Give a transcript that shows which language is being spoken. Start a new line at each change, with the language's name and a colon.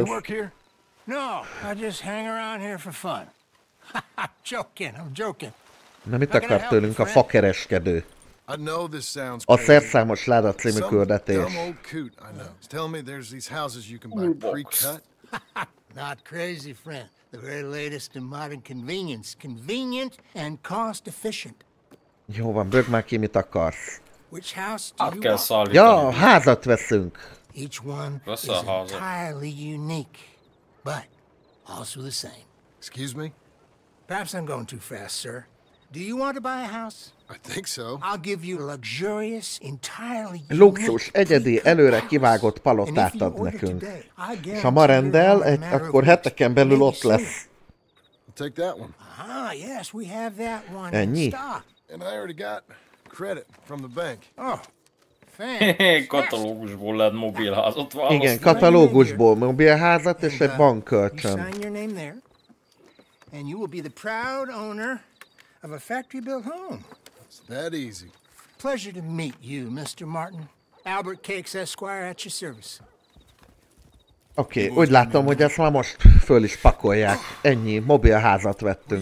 English: No, I just hang around here for fun. Joking, I'm joking.
Hungarian: Na mit akar tőlünk a fakereskedő? A szerszámos láda című küldetés.
English: Tell me there's these houses you can buy pre-cut. Not crazy, friend. The very latest in modern convenience. Convenient and cost efficient.
Hungarian: Jó van, bőg már ki, mit akarsz.
English: Which house do you want?
Hungarian: Ja, házat veszünk.
English: Each one is entirely unique. But also the same. Excuse me? Perhaps I'm going too fast, sir. Do you want to buy a house? I think so. I'll give you a luxurious, entirely
Hungarian: luxus, egyedi, előre kivágott palotát ad nekünk. És ha ma rendel, akkor heteken belül ott lesz.
English: I'll take that one. Ah, yes, we have that one.
Hungarian: Ennyi.
English: And I already got credit from the bank. Oh.
Hungarian: Katalógusból lehet mobilházat választani. Igen, katalógusból mobilházat és egy bankkölcsön.
English: And you will be the proud owner of a factory built home. It's that easy. Pleasure to meet you, Mr. Martin. Albert Cakes Esquire at your service.
Hungarian: Oké, úgy látom, hogy ezt már most föl is pakolják. Ennyi, mobilházat vettünk.